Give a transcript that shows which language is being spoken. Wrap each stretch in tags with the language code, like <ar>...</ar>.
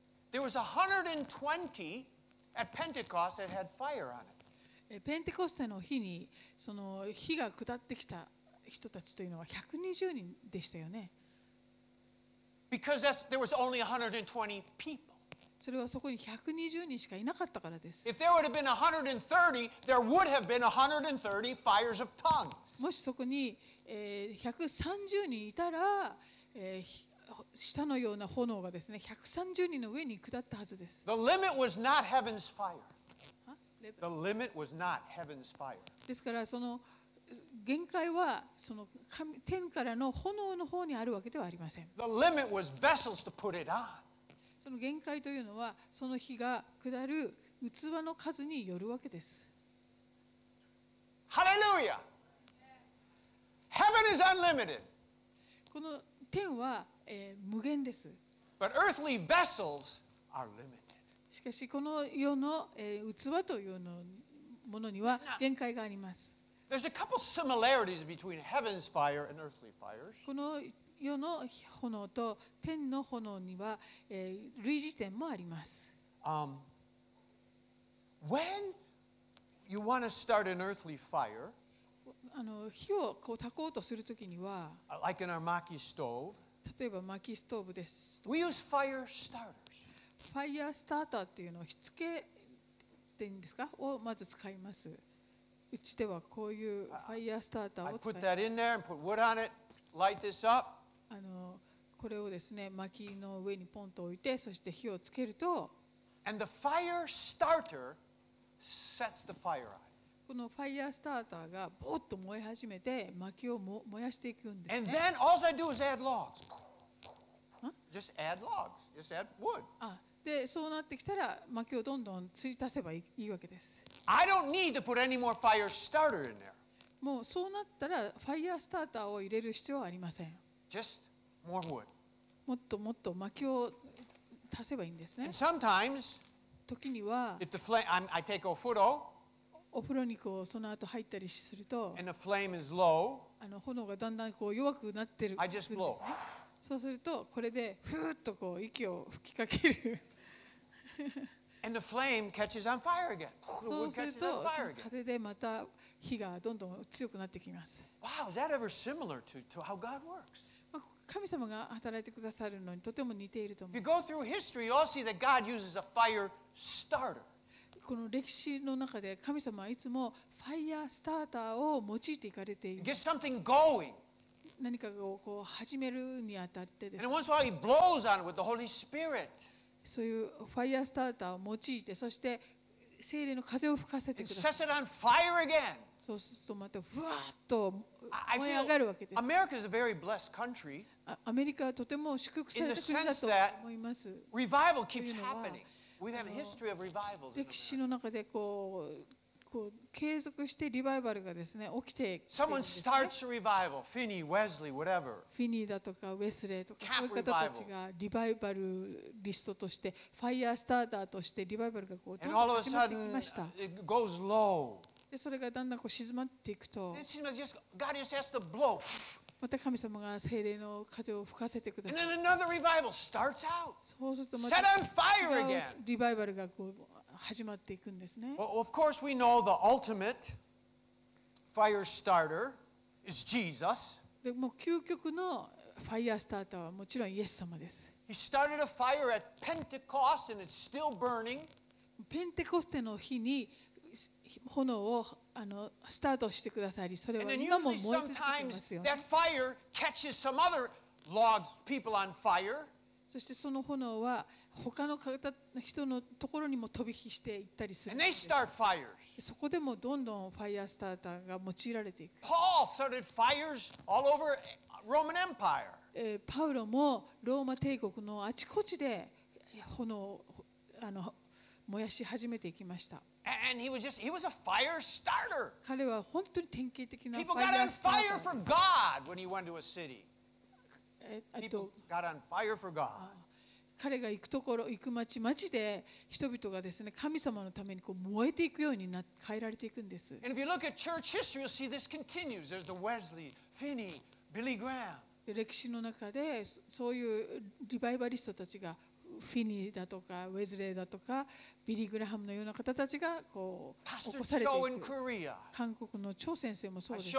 <en>There was 120 at Pentecost that had fire on it.</en> <ja>ペンテコステの日にその火が下ってきた人たちというのは120人でしたよね。</ja> <en>Because there was only 120 people.</en> <ja>それはそこに120人しかいなかったからです。</ja> <en>If there would have been 130, there would have been 130 fires of tongues.</en> <ja>もしそこに130人いたら、下のような炎がですね、130人の上に下ったはずです。</ja> <en>The limit was not heaven's fire. The limit was not heaven's fire.</en> <ja>ですからその限界はその天からの炎の方にあるわけではありません。</ja> <en>The limit was vessels to put it on.</en> <ja>その限界というのはその火が下る器の数によるわけです。</ja> <en>Hallelujah! Heaven is unlimited.</en> <ja>この天は無限です。</ja> <en>But earthly vessels are limited.</en> <ja>しかしこの世の器というのものには限界があります。</ja> <en>There's a couple similarities between heaven's fire and earthly fires.</en> <ja>この世の炎と天の炎には類似点もあります。</ja> <en>When you want to start an earthly fire,</en> <ja>あの火をこう焚こうとするときには、</ja> <en>like in our maki stove.</en> <ja>例えば薪ストーブです。</ja> <en>We use fire starters.</en> <ja>ファイアースターターっていうのを火付けって言うんですか？をまず使います。うちではこういうファイアースターターを使います。</ja> <en>I put that in there and put wood on it. Light this up.</en> <ja>あのこれをですね薪の上にポンと置いてそして火をつけると。</ja> <en>And the fire starter sets the fire on.</en> <ja>このファイアースターターがぼっと燃え始めて薪を燃やしていくんですね。</ja> <en>And then all I do is add logs. Just add logs. Just add wood.</en> <ja>あ、でそうなってきたら薪をどんどん突き足せばいいわけです。</ja> <en>I don't need to put any more fire starter in there.</en> <ja>もうそうなったらファイアースターターを入れる必要はありません。</ja> <en>Just more wood.</en> <ja>もっともっと薪を足せばいいんですね。</ja> <en>And sometimes,</en> <ja>時には、</ja> <en>if the flame, I take a photo.</en> <ja>お風呂にこうその後入ったりすると、</ja> <en>And the flame is low,</en> <ja>あの炎がだんだんこう弱くなってる、</ja> <en>I just blow.</en> <ja>そうするとこれでふーっとこう息を吹きかける。</ja> <en>And the flame catches on fire again.</en> <ja>そうすると風でまた火がどんどん強くなってきます。</ja> <en>Wow, is that ever similar to how God works?</en> <ja>神様が働いてくださるのにとても似ていると思う。</ja> <en>If you go through history, you'll see that God uses a fire starter.</en> <ja>この歴史の中で神様はいつもファイアースターターを用いていかれています。</ja> <en>Get something going.</en> <ja>何かをこう始めるにあたってです。</ja> <en>And once in a while he blows on it with the Holy Spirit.</en> <ja>そういうファイアースターターを用いて、そして聖霊の風を吹かせてください。</ja> <en>And sets it on fire again.</en> <ja>そうするとまたふわっと燃え上がるわけです。</ja> <en>America is a very blessed country.</en> <ja>アメリカはとても祝福された国だと思います。</ja> <en>Revival keeps happening. We have a history of revivals.</en> <ja>歴史の中でこう継続してリバイバルがですね起きて、</ja> <en>Someone starts a revival. Finney, Wesley, whatever.</en> <ja>フィニーだとかウェスレーとかそういう方たちがリバイバルリストとしてファイアースターターとしてリバイバルがこう</ja> <en>And all of a sudden, it goes low.</en> <ja>でそれがだんだんこう静まっていくと、</ja> <en>It seems like God just has to blow.</en> <ja>また神様が聖霊の風を吹かせてください。</ja> <en>And then another revival starts out.</en> <ja>そうするとまた違うリバイバルがこう始まっていくんですね。</ja> <en>Well, of course we know the ultimate fire starter is Jesus.</en> <ja>でも究極のファイアースターターはもちろんイエス様です。</ja> <en>He started a fire at Pentecost and it's still burning.</en> <ja>ペンテコステの日に炎をあのスタートしてくださり、それは今も燃え続けていますよ、ね。</ja> <en>And then usually sometimes that fire catches some other logs, people on fire.</en> <ja>そしてその炎は他の人のところにも飛び火していったりするんです。</ja> <en>And they start fires.</en> <ja>そこでもどんどんファイアースターターが用いられていく。</ja> <en>Paul started fires all over Roman Empire.</en> <ja>パウロもローマ帝国のあちこちで炎をあの燃やし始めていきました。</ja> <en>And he was just—he was a fire starter.</en> <ja>彼は本当に典型的なファイアースター。</ja> <en>People got on fire for God when he went to a city. People got on fire for God.</en> <ja>彼が行くところ行く町町で人々がですね神様のためにこう燃えていくようにな変えられていくんです。</ja> <en>And if you look at church history, you'll see this continues. There's the Wesley, Finney, Billy Graham.</en> <ja>歴史の中でそういうリバイバリストたちが。フィニーだとかウェズレーだとかビリー・グラハムのような方たちがこう起こされていく。韓国のチョ先生もそうです。</ja>